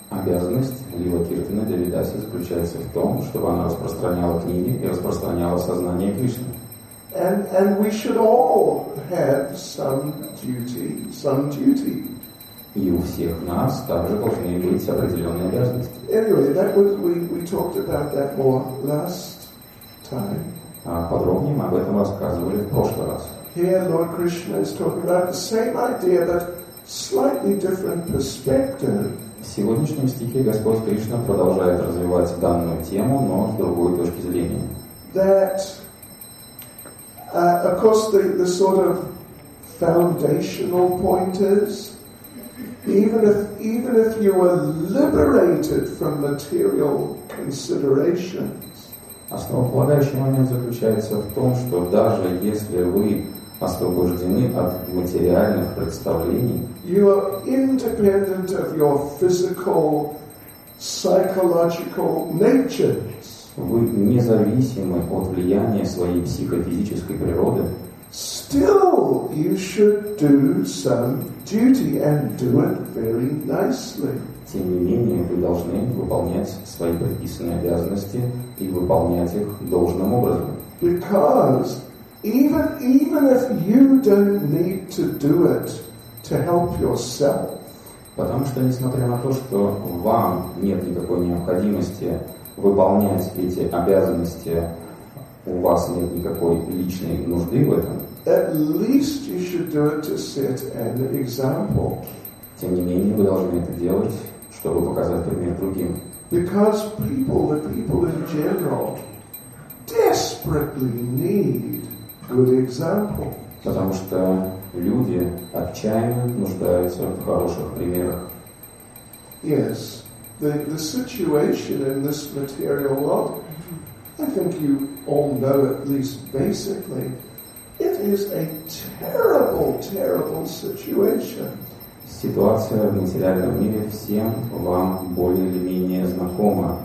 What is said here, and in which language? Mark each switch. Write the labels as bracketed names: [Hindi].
[Russian] Обязанность Лилы Киртона Девидаси заключается в том, чтобы она распространяла книги и распространяла сознание Кришны. [English] And we should all have some duty. [Russian] И у всех нас также должны быть определенные обязанности. [English] Anyway, that was we talked about that more last time. [Russian] Подробнее мы об этом рассказывали в прошлый раз. [English] Here Lord Krishna is talking about the same idea, but slightly different perspective. [Russian] В сегодняшнем стихе Господь Кришна продолжает развивать данную тему, но с другой точки зрения. [English] That, of course, the sort of foundational point is. Even if you were liberated from material considerations. [Russian] Основополагающий момент заключается в том, что даже если вы освобождены от материальных представлений, [English] you are independent of your physical, psychological natures. [Russian] Вы независимы от влияния своей психофизической природы. [English] Still, you should do some duty and do it very nicely. [Russian] Тем не менее, вы должны выполнять свои предписанные обязанности и выполнять их должным образом. [English] Because even if you don't need to do it to help yourself. [Russian] Потому что несмотря на то, что вам нет никакой необходимости выполнять эти обязанности, у вас нет никакой личной нужды в этом. [English] At least you should do it to set an example. [Russian] Тем не менее, вы должны это делать, чтобы показать пример другим. [English] Because the people in general desperately need good example. [Russian] Потому что люди отчаянно нуждаются в хороших примерах. [English] Yes, the situation in this material world, I think you all know at least basically. It is a terrible, terrible situation. [Russian] Ситуация в материальном мире всем вам более или менее знакома.